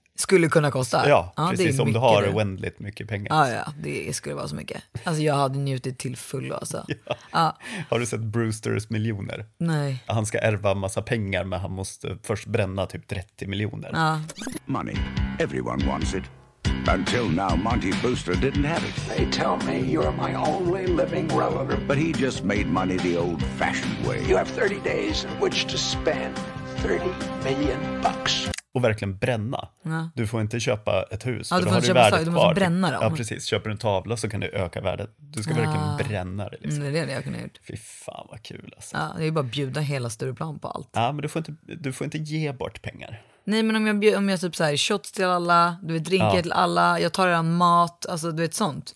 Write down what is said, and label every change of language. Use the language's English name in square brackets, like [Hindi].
[Swedish] skulle kunna kosta. Ja, ja, precis, om du har oändligt mycket pengar. Ja, ja, det skulle vara så mycket. Alltså jag hade njutit till full alltså. Ja. Har du sett Brewsters miljoner? Nej. Han ska ärva massa pengar men han måste först bränna typ 30 miljoner. [English] Ja. Money. Everyone wants it. Until now Monty Brewster didn't have it. They tell me you're my only living relative. But he just made money the old fashioned way. You have 30 days in which to spend 30 million bucks. [Swedish] Och verkligen bränna. Ja. Du får inte köpa ett hus. Ja, du får inte köpa saker, du måste bränna dem. Ja, precis. Köper du en tavla så kan du öka värdet. Du ska verkligen bränna det. Liksom. Mm, det är det jag kunde ha gjort. Fy fan, vad kul alltså. Ja, det är ju bara bjuda hela Stureplan på allt. Ja, men du får inte ge bort pengar. Nej, men om jag typ så här, shots till alla, du vet, drinker till alla, jag tar redan mat, alltså du vet sånt.